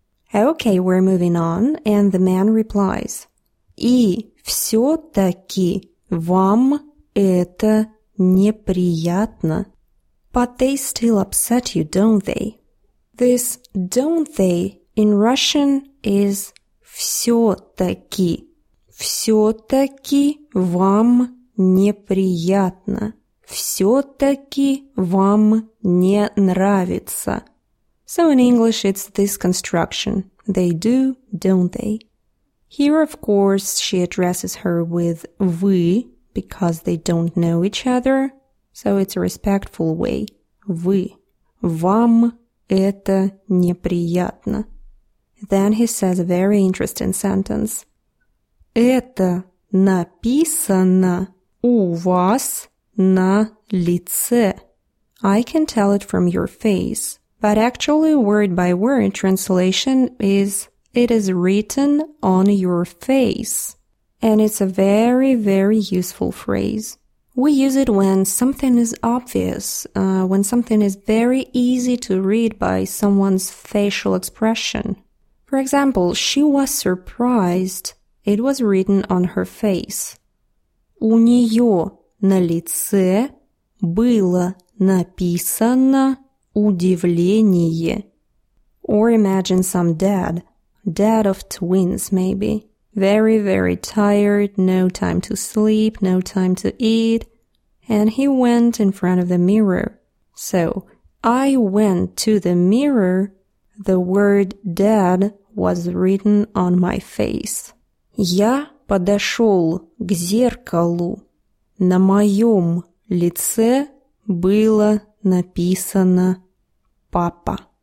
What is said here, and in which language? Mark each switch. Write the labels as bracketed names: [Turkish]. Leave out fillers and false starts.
[English] Okay, we're moving on, and the man replies. [Russian] И все-таки вам это неприятно. [English] But they still upset you, don't they? This don't they in Russian is [Russian] все-таки. Все-таки вам неприятно. Все-таки вам не нравится. [English] So in English it's this construction. They do, don't they? Here, of course, she addresses her with вы, because they don't know each other. So it's a respectful way. Вы. [Russian] Вам это неприятно. [English] Then he says a very interesting sentence. [Russian] Это написано у вас на лице. [English] I can tell it from your face. But actually, word by word, translation is it is written on your face. And it's a very, very useful phrase. We use it when something is obvious, when something is very easy to read by someone's facial expression. For example, she was surprised. It was written on her face. [Russian] У нее на лице было написано удивление. [English] Or imagine some dad. Dad of twins, maybe. Very, very tired, no time to sleep, no time to eat. And he went in front of the mirror. So, I went to the mirror. The word dad was written on my face. [Russian] Я подошел к зеркалу. На моем лице было написано папа.